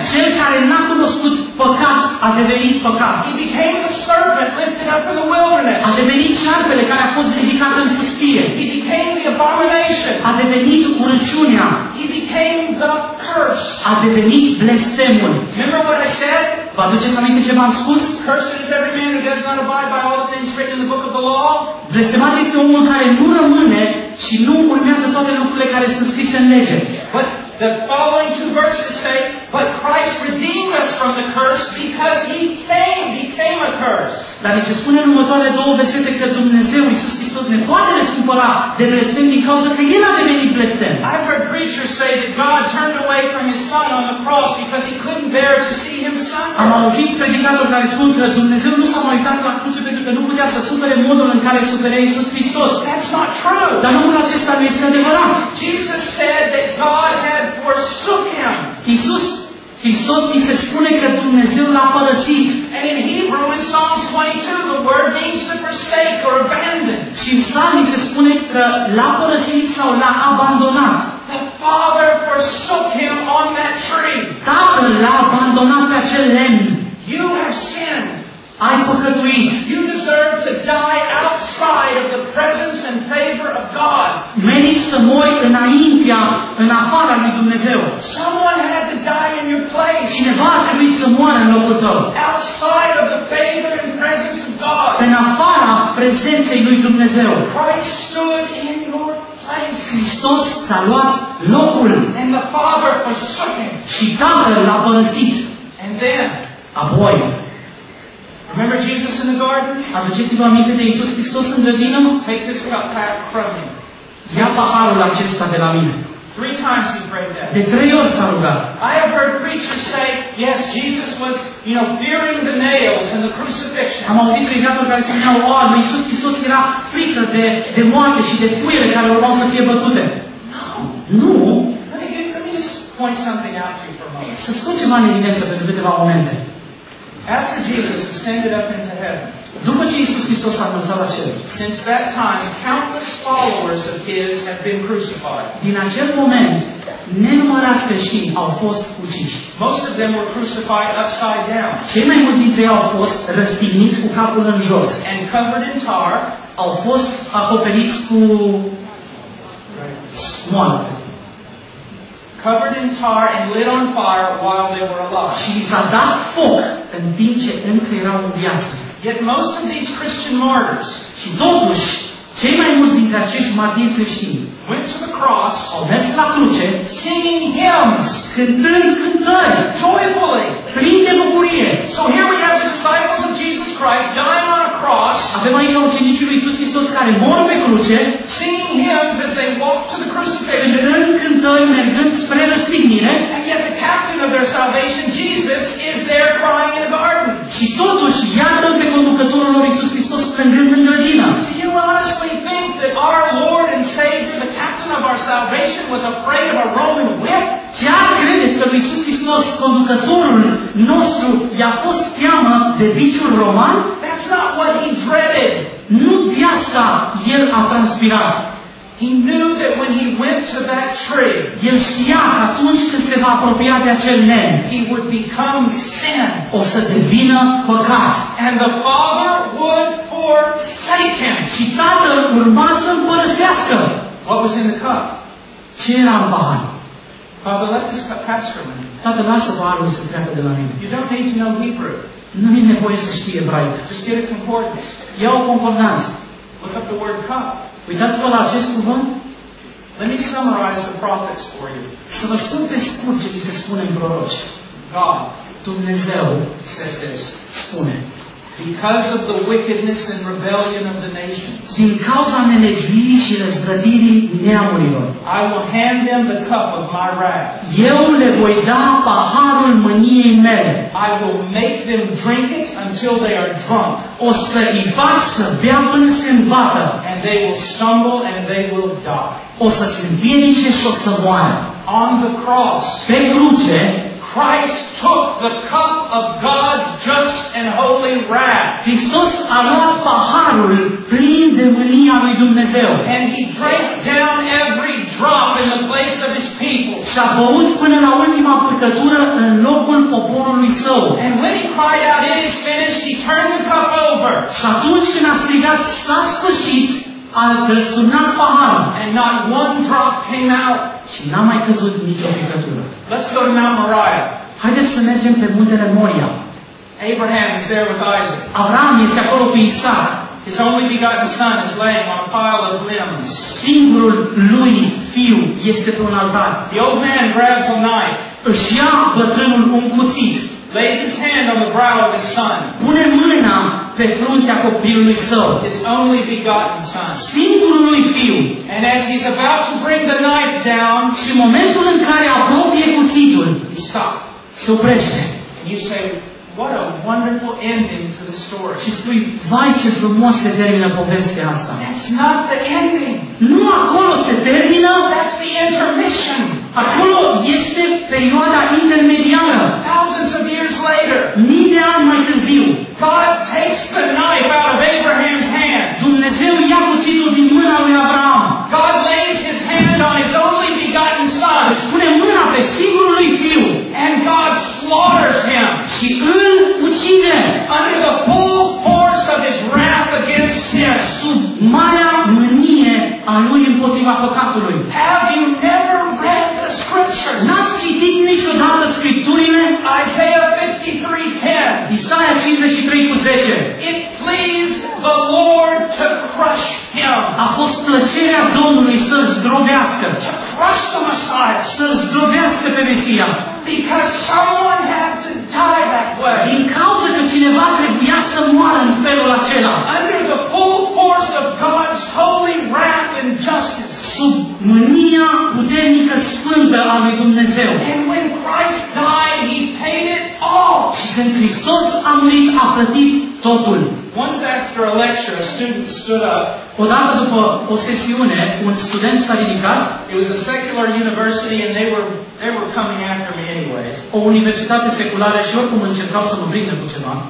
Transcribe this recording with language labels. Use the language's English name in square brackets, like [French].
[Romanian] Cel care n-a cunoscut păcat a devenit păcat. [English] He became the servant lifted up in the wilderness. [Romanian] A devenit șarpele care a fost ridicat în pustie. [English] He became the abomination. [Romanian] A devenit urăciunea. [English] He became the curse. [Romanian] A devenit blestemul. [English] Remember what I said? [Romanian] Vă aduceți aminte ce v-am spus? [English] Cursed is every man who does not abide by all the things written in the book of the law. [Romanian] Blestemat este omul care nu rămâne și nu urmează toate lucrurile care sunt scrise în lege. [English] But the following two verses say, but Christ redeemed us from the curse because he came, became a curse. [Romanian] Dar ni se spune în următoarele două versete că Dumnezeu, Iisus Hristos, ne poate răscumpăra de blestem din cauza că El a devenit blestem. [English] I've heard preachers say that God turned away from his son on the cross because he couldn't bear to see him suffer. [Romanian] Am auzit predicatori care spun că Dumnezeu nu s-a mai uitat la cruce pentru că nu putea să supere modul în care suferea Iisus Hristos. [English] That's not true. [Romanian] Dar numărul acesta nu este adevărat. [English] Jesus said that God had forsook him. [Romanian] Iisus Hristos mi se spune că Dumnezeu l-a părăsit. [English] And in Hebrew in Psalms 22 the word means to forsake or abandon. [Romanian] Și în Psalm mi se spune că l-a părăsit sau l-a abandonat. [English] The Father forsook him on that tree. [Romanian] Tatăl l-a abandonat pe acel lemn. [English] You have sinned. [Romanian] Ai păcătuit. [English] You deserve to die outside of the presence and favor of God. [Romanian] Meriți să mori înaintea, în afara lui Dumnezeu. [English] Someone had to die in your place. [Romanian] Cineva a trebuit să moară în locul tău. [English] Outside of the favor and presence of God. [Romanian] În afara prezenței lui Dumnezeu. [English] Christ stood in your place. [Romanian] Hristos s-a luat locul. [English] And the Father forsook him. [Romanian] Și Tatăl l-a părăsit. [English] And then. [Romanian] Apoi. [English] Remember Jesus in the garden? [Romanian] Aduceți-vă aminte de Iisus Hristos în grădină? [English] Take this cup back from him. [Romanian] Ia paharul acesta de la mine. [English] Three times he prayed that. [Romanian] De trei ori s-a rugat. [English] I have heard preachers say, yes, Jesus was, you know, fearing the nails and the crucifixion. [Romanian] Am auzit predicatori care spuneau, oh, lui Iisus Hristos era frică de moarte și de cuiele care urmau să fie bătute. [English] No. [Romanian] Nu. [English] Let me just point something out to you for a moment. [Romanian] Să spun ceva în evidență pentru câteva momente. [English] After Jesus ascended up into heaven, [Romanian] după ce Iisus Hristos a înălțat la cer, [English] since that time, countless followers of his have been crucified. [Romanian] Din acel moment, nenumărați creștini au fost uciși. [English] Most of them were crucified upside down. [Romanian] Cei mai mulți dintre ei au fost răstigniți cu capul în jos. [English] And covered in tar. [Romanian] Au fost acoperiți cu moarte. [English] Covered in tar and lit on fire while they were alive. [Romanian] Și s-a dat foc în timp ce încă erau în viață. [English] Yet most of these Christian martyrs, [Romanian] și totuși, cei mai mulți dintre acești martiri creștini, [English] went to the cross, [Romanian] au mers la cruce, [English] singing hymns, [Romanian] cântând cântări, [English] joyfully, [Romanian] plin de bucurie. [English] So here we have the disciples of Jesus Christ dying on a cross, [Romanian] avem aici ucenicii lui Iisus Hristos care mor pe cruce, [English] singing hymns as they walk to the crucifixion, [Romanian] cântând cântări mergând spre răstignire, [English] and yet the captain of their salvation, Jesus, is there crying in a garden. [Romanian] Și totuși, iată-L pe conducătorul lor Iisus Hristos plângând în grădină. [English] Honestly think that our Lord and Savior, the captain of our salvation, was afraid of a Roman whip? [Romanian] Chiar credeți că Iisus Hristos, conducătorul nostru, i-a fost teamă de biciul roman? [English] That's not what he dreaded. [Romanian] Nu de asta el a transpirat. [English] He knew that when he went to that tree, [Romanian] el știa că atunci când se va apropia de acel nen, [English] he would become sin, [Romanian] o să devină păcat. [English] And the Father would forsake him. [Romanian] Și Tatăl urma să-l părăsească. [English] What was in the cup? [Romanian] Ce era în pahar? [English] Father, let this cup pass from me. [Romanian] Tatăl, lasă paharul să treacă de la mine. [English] You don't need to know Hebrew. [Romanian] Nu e nevoie să știi evraic. [English] Just get a concordance. [Romanian] Ia o concordanță. [English] Look up the word cup. [Romanian] Uitați-vă la acest cuvânt. [English] Let me summarize the prophets for you. [Romanian] Să vă spun pe scurt ce se spune în proroci. [English] God, [Romanian] Dumnezeu, [English] says this, [Romanian] spune, [English] because of the wickedness and rebellion of the nations, [Romanian] din cauza nelegiuirii și răzvrătirii neamurilor, [English] I will hand them the cup of my wrath. [Romanian] Eu le voi da paharul mâniei mele. [English] I will make them drink it until they are drunk. [Romanian] O să îi fac să bea până se îmbată. [English] And they will stumble and they will die. [Romanian] O să se împiedice și o să moară. [English] On the cross, [Romanian] pe cruce, [English] Christ took the cup of God's just and holy wrath. [Romanian] Hristos a luat paharul plin de mânia lui Dumnezeu. [English] And he drank down every drop in the place of his people. [Romanian] Și a băut până la ultima purcătură în locul poporului său. [English] And when he cried out, "It is finished," he turned the cup over. [Romanian] Și atunci când a strigat, "S-a sfârșit," a răsturnat paharul. [English] And not one drop came out. [Romanian] Și n-a mai căzut nicio picătură. [English] Let's go to Mount Moriah. [Romanian] Haideți să mergem pe muntele Moria. [English] Abraham is there with Isaac. [Romanian] Avram este acolo cu Isaac. [English] His only begotten son is laying on a pile of limbs. [Romanian] Singurul lui fiu este pe un altar. [English] The old man grabs a knife. [Romanian] Își ia bătrânul un cuțit. [English] Lays his hand on the brow of his son. [Romanian] Pune mâna pe fruntea copilului său. [English] His only begotten son. [Romanian] Singurul lui fiu. [English] And as he's about to bring the knife down, [Romanian] și momentul în care apropie cuțitul, [English] he stopped. [Romanian] Se oprește. [English] And you say, what a wonderful ending to the story. [Romanian] Și spui, vai ce frumos se termină povestea asta. [English] That's not the ending. [Romanian] Nu acolo se termină. [English] That's the intermission. [Romanian] Acolo este perioada intermediară. [English] Thousands of years later. [Romanian] Mii de ani mai târziu. [English] God takes the knife out of Abraham's hand. [Romanian] Dumnezeu ia cuțitul din mâna lui Avram. [English] God lays his hand on his only begotten son. [Romanian] Își pune mâna pe singurul lui fiu. [English] And God slaughters him. [Romanian] Și îl ucide. [English] Under the full force of his wrath against sin. [Romanian] Sub marea mânie a lui împotriva păcatului. [English] Have you never read the scriptures? [Romanian] N-ați citit niciodată scripturile? [English] Isaia 53:10. It pleased the Lord to crush him. [Romanian] A fost plăcerea Domnului să-l zdrobească. [English] To crush the Messiah. [Romanian] Să-l zdrobească pe Mesia. [English] Because someone had to die that way. [Romanian] Din cauza că cineva trebuia să moară în felul acela. [English] Under the full force of God's holy wrath and justice. [Romanian] Sub mânia puternică sfântă a lui Dumnezeu. [English] And when Christ died, he paid it all. [Romanian] Și când Hristos a murit, a plătit totul. [English] Once after a lecture, a student stood up. [Romanian] Odată după o sesiune, un student s-a ridicat. [English] It was a secular university, and they were coming after me anyways. [Romanian] O universitate seculară și oricum încercau să mă prindă cu ceva.